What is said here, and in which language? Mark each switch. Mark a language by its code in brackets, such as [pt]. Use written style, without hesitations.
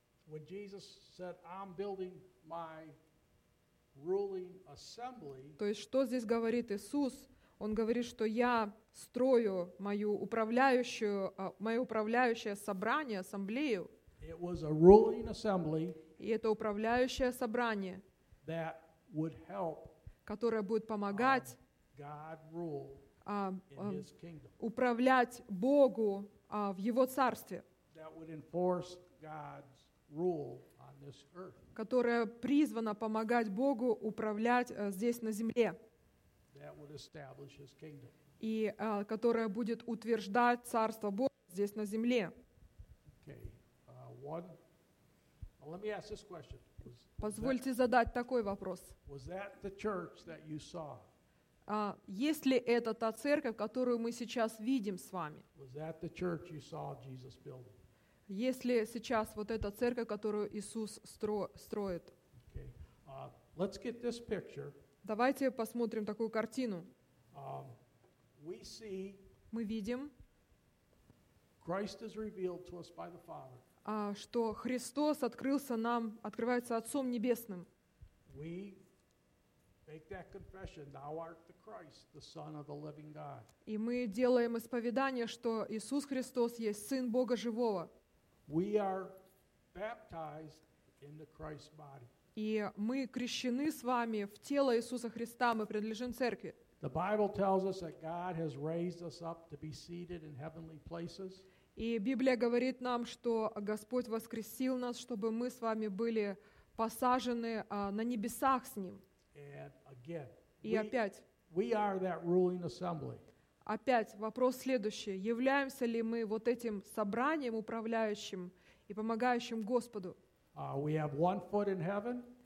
[en] When Jesus said, "I'm building my ruling assembly," [ru] то есть что здесь говорит Иисус? Он говорит, что я строю мое управляющее собрание, ассамблею. [en] It was a ruling assembly. [ru] И это управляющее собрание. [en] That would help. [ru] Которое будет помогать. [en] God rule in His kingdom. [ru] Управлять Богу в Его царстве. [en] That would enforce God's rule on this earth. [ru] Которая призвана помогать Богу управлять здесь на земле. [en] That would establish his kingdom. [ru] И которая будет утверждать царство Божье здесь на земле. [en] Okay. One Well, let me ask this question. [ru] Позвольте задать такой вопрос. [en] Was that the church that you saw? [ru] Есть ли это та церковь, которую мы сейчас видим с вами? [en] Was that the church you saw Jesus building? [ru] Есть ли сейчас вот эта церковь, которую Иисус строит? [en] Okay. Let's get this picture. [ru] Давайте посмотрим такую картину. [en] We see. [ru] Мы видим. [en] Christ is revealed to us by the Father. [ru] Что Христос открылся нам, открывается Отцом Небесным. [en] We make that confession. Thou art the Christ, the Son of the Living God. [ru] И мы делаем исповедание, что Иисус Христос есть Сын Бога Живого. [en] We are baptized into Christ's body. [ru] И мы крещены с вами в тело Иисуса Христа, мы принадлежим церкви. [en] The Bible tells us that God has raised us up to be seated in heavenly places. [ru] И Библия говорит нам, что Господь воскресил нас, чтобы мы с вами были посажены на небесах с Ним. [en] And again, [ru] и опять. [en] We are that ruling assembly. [ru] Опять вопрос следующий. Являемся ли мы вот этим собранием управляющим и помогающим Господу? [en] We have one foot in heaven.